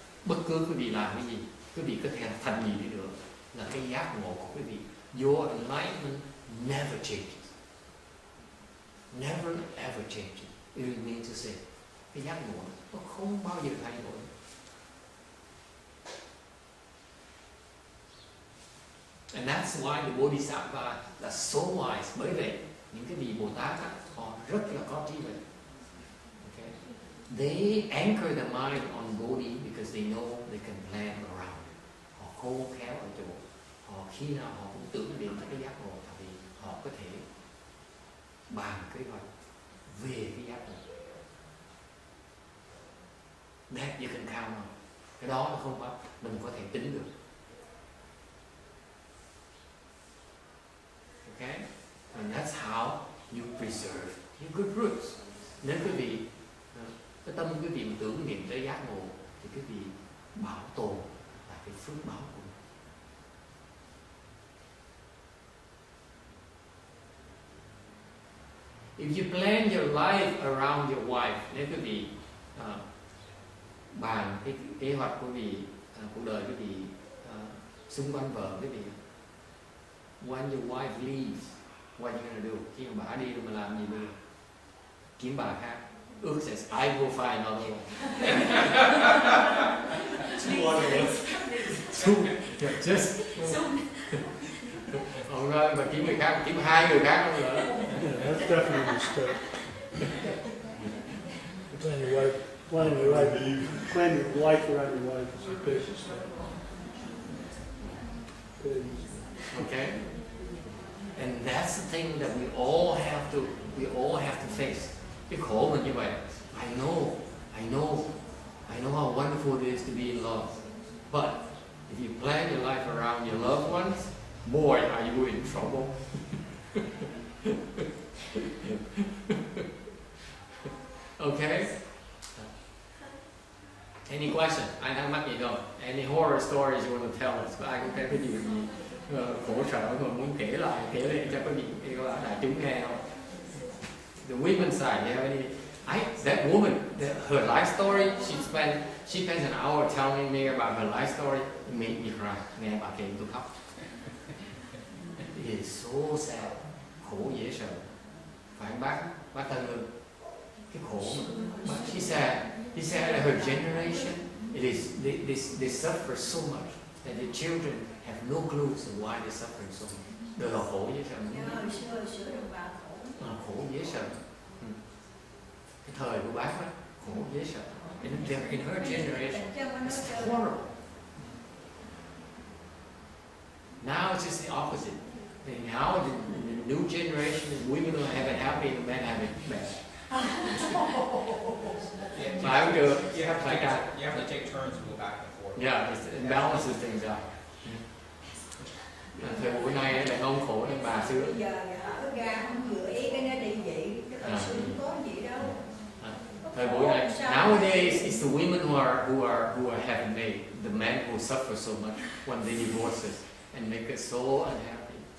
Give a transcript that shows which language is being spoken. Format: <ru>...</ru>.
<vi>Bất cứ quý vị làm cái gì, quý vị có thể thành gì đi được, là cái giác ngộ của quý vị.</vi> <en>Your enlightenment never changes. Never ever changes. It means to say,</en> <vi>cái giác ngộ nó không bao giờ thay đổi.</vi> <en>And that's why the Bodhisattva are so wise.</en> <vi>Bởi vậy, những cái vị Bồ Tát họ rất là có trí tuệ.</vi> <en>Okay? They anchor the mind on Bodhi because they know they can plan around.</en> <vi>Họ khôn khéo ở chỗ. Họ khi nào họ cũng tưởng đến cái giác ngộ, tại vì họ có thể bàn kế hoạch về cái giác ngộ.</vi> <en>That you can count on.</en> <vi>Cái đó là không có, mình có thể tính được.</vi> <en>Okay? And that's how you preserve</en> <vi>những cái</vi> <en>roots.</en> <vi>Nếu quý vị cái tâm quý vị tưởng niệm tới giác ngộ thì quý vị bảo tồn là cái phước báo của mình.</vi> <en>If you plan your life around your wife,</en> <vi>nếu quý vị bàn cái kế hoạch của vị cuộc đời quý vị xung quanh vợ quý vị.</vi> <en>When your wife leaves, what you gonna do?</en> <vi>Khi mà bà đi rồi mà làm gì nữa? Kiếm bà khác. Ước sẽ</vi> <en>I will find another one. Two other ones. Two. Yeah, just.</en> <vi>Ông nói mà kiếm người khác, kiếm hai người khác không nữa.</vi> <en>That's definitely a step. When your wife. Plan your life. Plan your life around your wife is a big step. Okay, and that's the thing that we all have to face.</en> <vi>Cái khổ mình như vậy.</vi> <en>I know how wonderful it is to be in love. But if you plan your life around your loved ones, boy, are you in trouble. Okay. Any question? I have my ego. Any horror stories you want to tell us? I can tell you.</en> <vi>Khổ sở mà muốn kể lại, kể lại cho quý vị đại chúng nghe không?</vi> <en>The women side, you have any? That woman, her life story. She spends an hour telling me about her life story. It made me cry.</en> <vi>Nghe bà kể tôi khóc.</vi> <en>It's so sad.</en> <vi>Khổ dễ sợ. Phải bác thân ơi. Cái khổ mà.</vi> <en>But he said that her generation, it is they suffer so much that the children have no clues of why they suffering so much.</en> <vi>Đó là khổ dễ sợ.</vi> <en>Yeah,</en> <vi>khổ dễ sợ. Cái thời của bác đó, khổ dễ sợ.</vi> <en>In her generation, it's horrible. Now it's just the opposite. And now the new generation, women will have it happy and men have it bad. Yeah, you have to take turns and go back and forth. Yeah, it balances things out. Yeah.</en> <vi>Thời buổi nay đàn ông khổ hơn bà xưa. Giờ ở gà không cửa ý cái nó đi vậy, cái tâm sự không có gì đâu. Thời buổi nay,</vi> <en>nowadays it's the women who are having made the men who suffer so much when they divorces and make us so unhappy.</en>